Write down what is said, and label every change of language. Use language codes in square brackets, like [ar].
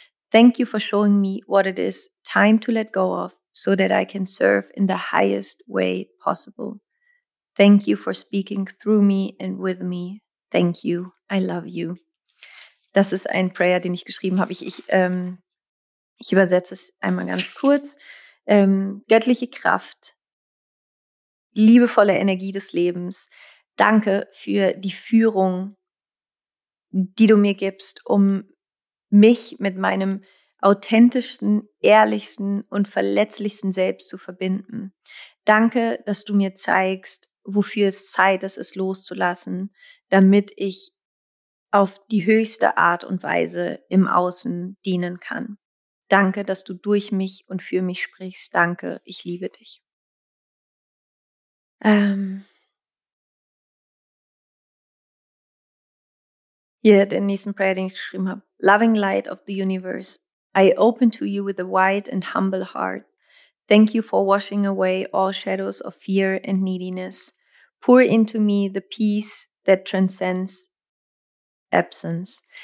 [en] Thank you for showing me what it is time to let go of so that I can serve in the highest way possible. Thank you for speaking through me and with me. Thank you. I love you. [de] Das ist ein Prayer, den ich geschrieben habe. Ich übersetze es einmal ganz kurz. Göttliche Kraft, liebevolle Energie des Lebens. Danke für die Führung, die du mir gibst, um mich mit meinem authentischsten, ehrlichsten und verletzlichsten Selbst zu verbinden. Danke, dass du mir zeigst, wofür es Zeit ist, es loszulassen, damit ich auf die höchste Art und Weise im Außen dienen kann. Danke, dass du durch mich und für mich sprichst. Danke, ich liebe dich. Hier den nächsten Prayer, den ich geschrieben habe. [en] Loving light of the universe, I open to you with a wide and humble heart. Thank you for washing away all shadows of fear and neediness. Pour into me the peace that transcends absence.